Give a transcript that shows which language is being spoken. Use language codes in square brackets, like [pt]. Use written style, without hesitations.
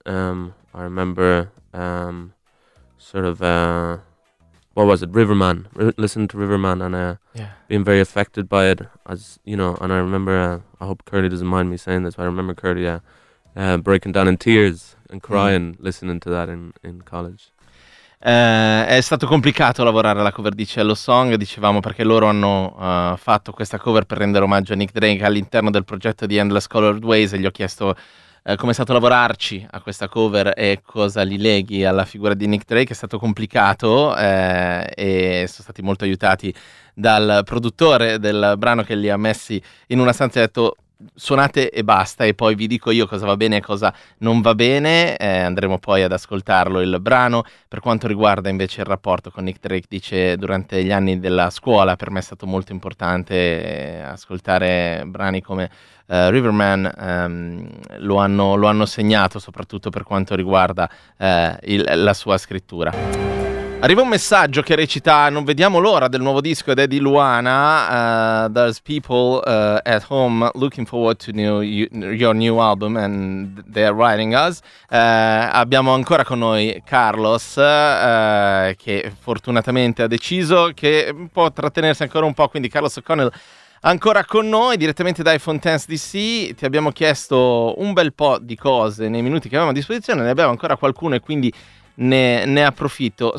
[en] I remember Riverman. Listening to Riverman and being very affected by it, as you know. And I remember, I hope Curly doesn't mind me saying this, but I remember Curly breaking down in tears and crying listening to that in college. [it] È stato complicato lavorare alla cover di Cello Song, dicevamo, perché loro hanno fatto questa cover per rendere omaggio a Nick Drake all'interno del progetto di Endless Colored Ways, e gli ho chiesto come è stato lavorarci a questa cover e cosa li leghi alla figura di Nick Drake. È stato complicato e sono stati molto aiutati dal produttore del brano, che li ha messi in una stanza e ha detto suonate e basta, e poi vi dico io cosa va bene e cosa non va bene. Andremo poi ad ascoltarlo il brano. Per quanto riguarda invece il rapporto con Nick Drake, dice, durante gli anni della scuola per me è stato molto importante ascoltare brani come Riverman, lo hanno segnato, soprattutto per quanto riguarda la sua scrittura. Arriva un messaggio che recita: non vediamo l'ora del nuovo disco ed è di Luana. [en] There's people at home looking forward to your new album and they're writing us. [it] Abbiamo ancora con noi Carlos, che fortunatamente ha deciso che può trattenersi ancora un po', quindi Carlos O'Connell ancora con noi direttamente dai Fontaines D.C. Ti abbiamo chiesto un bel po' di cose nei minuti che avevamo a disposizione, ne abbiamo ancora qualcune, quindi Ne approfitto.